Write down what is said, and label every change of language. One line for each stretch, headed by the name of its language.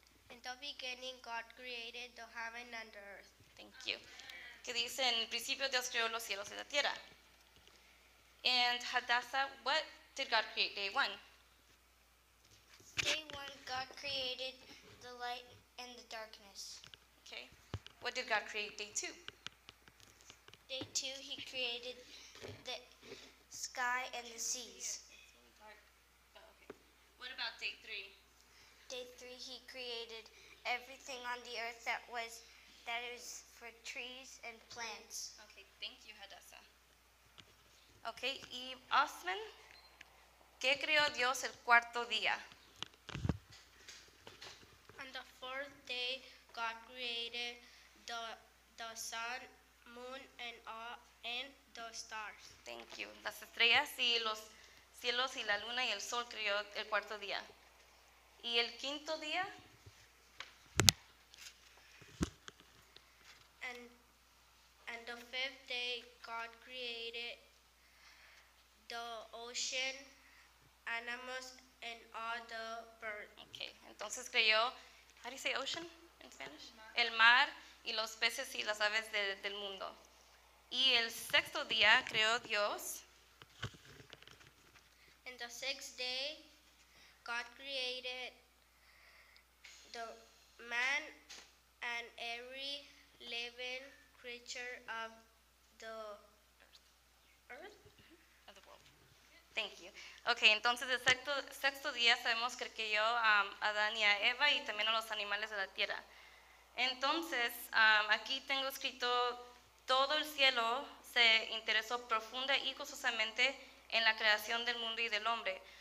English: In the beginning, God created the heaven and the earth. Thank you.
Spanish: Que dice, en el principio Dios creó los cielos y la tierra.
English: And Hadassah, what did God create day one? Day one, God created the light and the darkness. Okay. What did God create day two? Day two, he created the sky and the seas. It's really dark. Oh, okay. What about day three? Day three, he created everything on the earth that is for trees and plants. Okay, thank you, Hadassah.
Spanish: Okay, y Osman, ¿qué creó Dios el cuarto día?
English: On the fourth day, God created the sun, moon, and the stars. Thank you.
Spanish: Las estrellas y los cielos y la luna y el sol creó el cuarto día. ¿Y el quinto día?
English: And the fifth day, God created the ocean, animals, and all the birds. Okay,
Spanish: entonces creyó,
English: how do you say ocean in Spanish?
Spanish: El mar y los peces y las aves del mundo. Y el sexto día creó Dios.
English: And the sixth day, God created the man and every living creature of the earth. Thank you.
Spanish: Okay, entonces el sexto día sabemos que creyó a Adán y a Eva y también a los animales de la tierra. Entonces, aquí tengo escrito, todo el cielo se interesó profunda y gozosamente en la creación del mundo y del hombre.